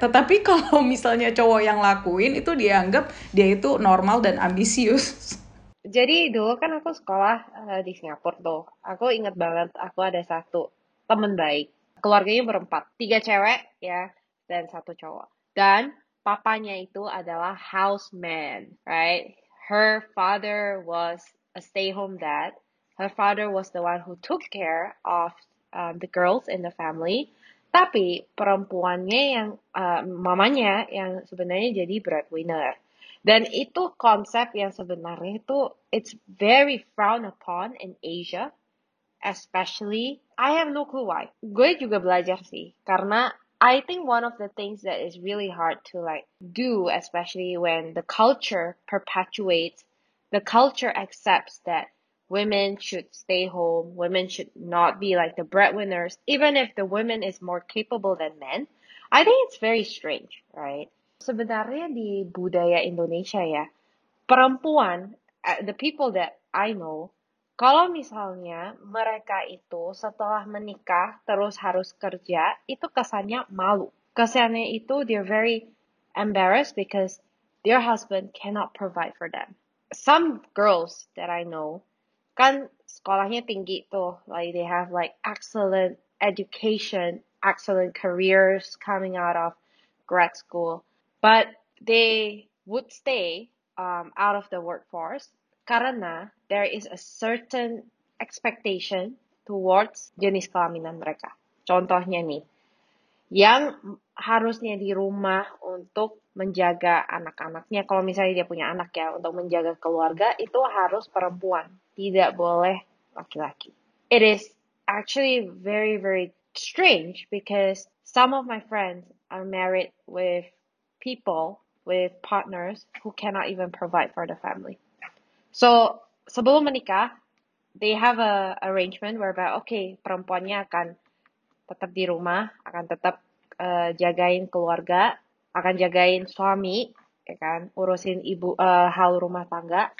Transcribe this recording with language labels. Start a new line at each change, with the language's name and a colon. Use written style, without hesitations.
Indonesian: Tetapi kalau misalnya cowok yang lakuin, itu dianggap dia itu normal dan ambisius. Jadi dulu kan aku sekolah di Singapura tuh. Aku ingat banget, aku ada satu temen baik. Keluarganya berempat. Tiga cewek, ya, dan satu cowok. Dan papanya itu adalah houseman, right?
English: Her father was a stay-home dad. Her father was the one who took care of the girls in the family.
Indonesian: Tapi perempuannya yang mamanya yang sebenarnya jadi breadwinner. Dan itu konsep yang sebenarnya itu
English: it's very frowned upon in Asia, especially. I have no clue why.
Indonesian: Gue juga belajar sih, karena
English: I think one of the things that is really hard to like do, especially when the culture perpetuates, the culture accepts that women should stay home, women should not be like the breadwinners, even if the woman is more capable than men. I think it's very strange, right?
Indonesian: Sebenarnya di budaya Indonesia ya, perempuan,
English: the people that I know,
Indonesian: kalau misalnya mereka itu setelah menikah terus harus kerja, itu kesannya malu. Kesannya itu
English: they're very embarrassed because their husband cannot provide for them. Some girls that I know,
Indonesian: kan sekolahnya tinggi tuh,
English: like they have like excellent education, excellent careers coming out of grad school. But they would stay out of the workforce karena there is a certain expectation towards
Indonesian: jenis kelaminan mereka. Contohnya nih, yang harusnya di rumah untuk menjaga anak-anaknya, kalau misalnya dia punya anak ya, untuk menjaga keluarga, itu harus perempuan, tidak boleh laki-laki.
English: It is actually very, very strange because some of my friends are married with people with partners who cannot even provide for the family.
Indonesian: So, sebelum menikah,
English: they have a arrangement whereby,
Indonesian: okay, perempuannya akan tetap di rumah, akan tetap jagain keluarga, akan jagain suami, ya kan, urusin ibu hal rumah tangga.